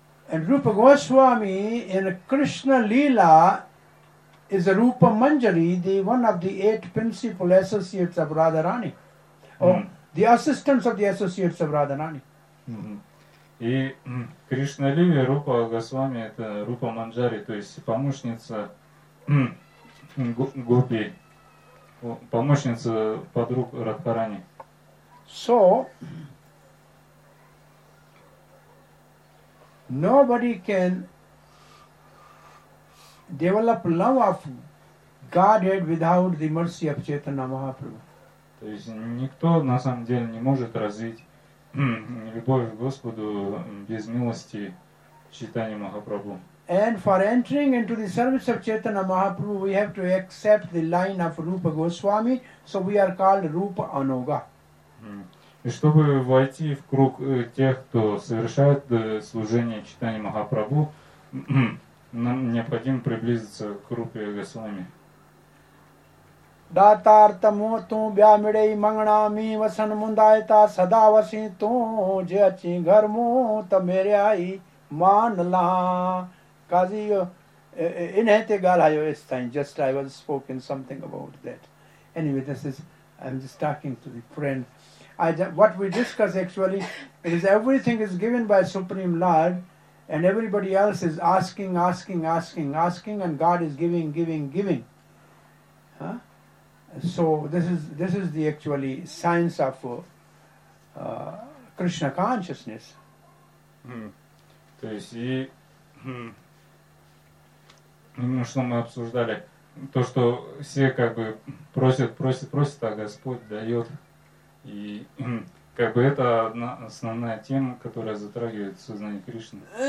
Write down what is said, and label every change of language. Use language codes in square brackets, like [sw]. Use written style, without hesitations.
[en] And Rupa Goswami in Krishna Leela is a Rupa Manjari, the one of the eight principal associates of Radharani, the assistants of the associates of Radharani. [ru] И Кришна Лили Рупа Госвами это Рупа Манджари, то есть помощница Гопи, помощница подруг Радхарани. [en] So nobody can develop love of Godhead without the mercy of Chaitanya Mahaprabhu. [ru] То есть никто на самом деле не может развить любовь к Господу без милости Чайтаньи Махапрабху. [en] And for entering into the service of Chaitanya Mahaprabhu, we have to accept the line of Rupa Goswami, so we are called Rupa Anoga. [ru] И чтобы войти в круг тех, кто совершает служение Чайтаньи Махапрабху, нам необходимо приблизиться к Рупе Госвами. Датартаму ту бямидей манганами васан мундайта садаваси ту джачи гарму тамеряй манла. Кази йо, инхете галайо эстайн, [en] just I was spoken something about that. Anyway, this is, I'm just talking to the friend. What we discuss actually is everything is given by Supreme Lord. And everybody else is asking, and God is giving. Huh? So this is the actually science of Krishna consciousness. [ru] То есть именно что мы обсуждали, то что все как бы просят, а Господь дает, и как бы это одна основная тема, которая затрагивает сознание Кришны.